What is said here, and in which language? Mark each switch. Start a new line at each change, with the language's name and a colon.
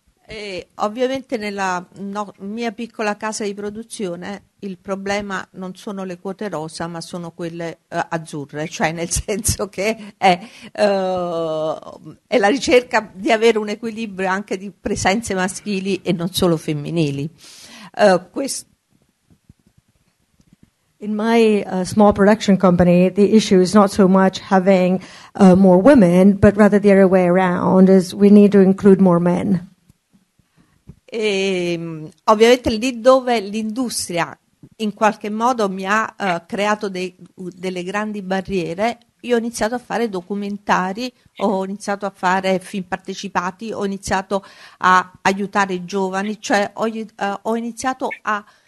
Italian: E ovviamente nella mia piccola casa di produzione il problema non sono le quote rosa, ma sono quelle azzurre, cioè nel senso che è la ricerca di avere un equilibrio anche di presenze maschili e non solo femminili.
English: In my small production company, the issue is not so much having more women, but rather the other way around, is we need to include more men.
Italian: E ovviamente lì dove l'industria in qualche modo mi ha creato delle grandi barriere, io ho iniziato a fare documentari, ho iniziato a fare film partecipati, ho iniziato a aiutare i giovani, cioè ho iniziato a